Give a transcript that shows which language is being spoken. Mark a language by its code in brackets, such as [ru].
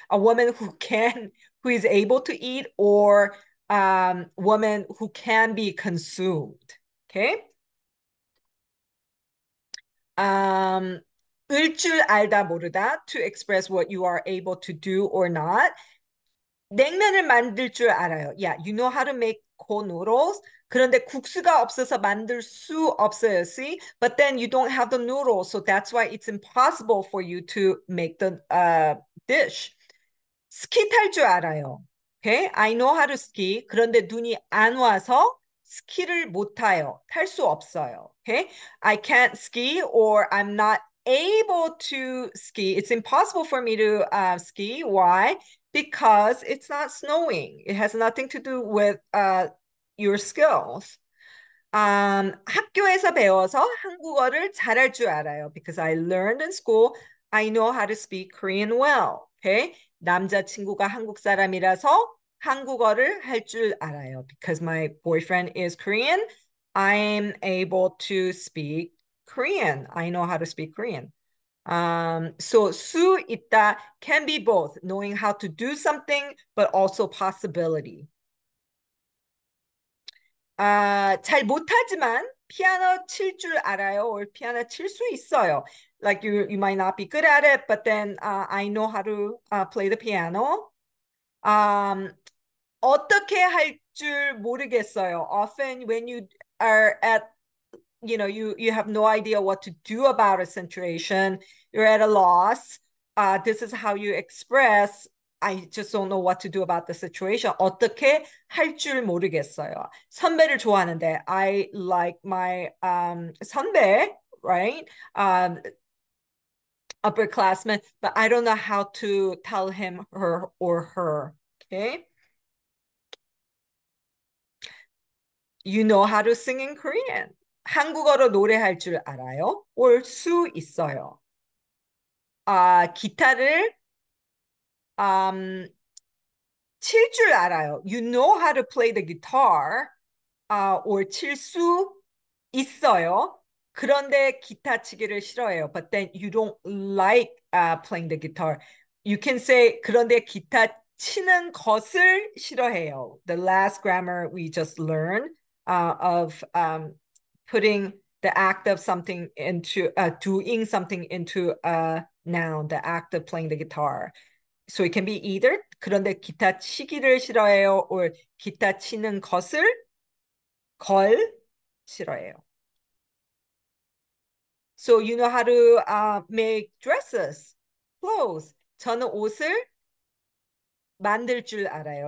[en] A woman who is able to eat, or woman who can be consumed. Okay. [ko] 을줄 알다 모르다, [en] to express what you are able to do or not. [ko] 냉면을 만들 줄 알아요. [en] Yeah, you know how to make cold noodles. [ko] 그런데 국수가 없어서 만들 수 없어요. [en] See? But then you don't have the noodles, so that's why it's impossible for you to make the dish. [ko] 스키 탈줄 알아요. [en] Okay? I know how to ski. [ko] 그런데 눈이 안 와서 스키를 못 타요. 탈수 없어요. Okay? [en] I can't ski, or I'm not able to ski. It's impossible for me to ski. Why? Because it's not snowing. It has nothing to do with your skills. [ko] 학교에서 배워서 한국어를 잘할 줄 알아요. [en] Because I learned in school, I know how to speak Korean well. Okay? [ko] 남자친구가 한국 사람이라서 한국어를 할줄 알아요. [en] Because my boyfriend is Korean, I'm able to speak Korean. I know how to speak Korean. So 수 있다 can be both knowing how to do something, but also possibility. [ko] 잘 못하지만 피아노 칠줄 알아요, or 피아노 칠수 있어요. [en] Like you might not be good at it, but then I know how to play the piano. [ko] 어떻게 할줄 모르겠어요. [en] Often when you are at, you have no idea what to do about a situation, you're at a loss. This is how you express, I just don't know what to do about the situation. [ko] 어떻게 할줄 모르겠어요. 선배를 좋아하는데, [en] I like my 선배, right? Upperclassman, but I don't know how to tell him, her, or her. Okay. You know how to sing in Korean. [ko] 한국어로 노래할 줄 알아요? 올수 있어요. 기타를 칠줄 알아요. [en] You know how to play the guitar, or [ko] 칠수 있어요. 그런데 기타 치기를 싫어해요. [en] But then you don't like playing the guitar. You can say [ko] 그런데 기타 치는 것을 싫어해요. [en] The last grammar we just learned of putting the act of something into doing something into a noun, the act of playing the guitar. So it can be either [ko] 그런데 기타 치기를 싫어해요, or 기타 치는 걸 싫어해요. [en] So you know how to make dresses, clothes. [ko] 저는 옷을 만들 줄 알아요.